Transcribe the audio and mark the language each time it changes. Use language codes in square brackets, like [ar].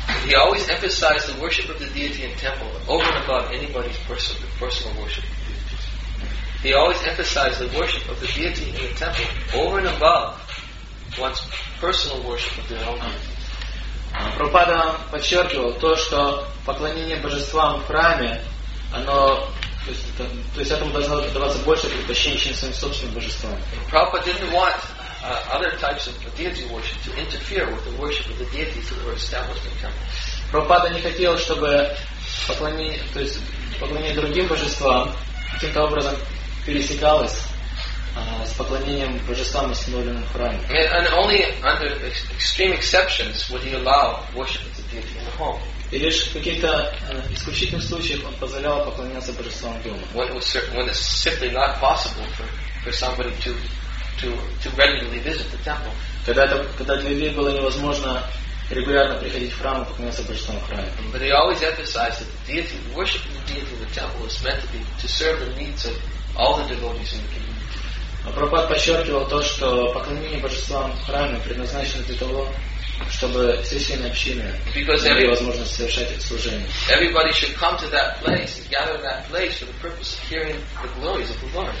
[en] He always emphasized the worship of the deity in temple over and above anybody's personal worship. He always emphasized the worship of the deity in the temple over and above one's personal worship of their own deity. [ru] Прабхупада подчеркивал то, что поклонение божествам в храме, оно, то есть этому должно даваться больше предпочтения, чем своим собственным божествам. [en] Prabhupada didn't want other types of deity worship to interfere with the worship of the deities that were established in temple. [ru] Прабхупада не хотел, чтобы поклонение другим божествам каким-то образом пересекалось с поклонением божествам, установленным в храме. [en] And only under extreme exceptions would he allow worship of the deity in the home. [ru] И лишь в каких-то исключительных случаях он позволял поклоняться божествам дома. [en] When it's simply not possible for somebody to regularly visit the temple. [ru] Когда для людей было невозможно регулярно приходить в храм и поклоняться божествам в храме. [en] But he always emphasized that worship of the deity in the temple was meant to be to serve the needs of all the devotees in the community. [ru] Прабхупада подчеркивал то, что поклонение божествам в храме предназначено для того, чтобы все члены общины имели возможность совершать это служение. [en] Everybody should come to that place and gather in that place for the purpose of hearing the glories of the Lord.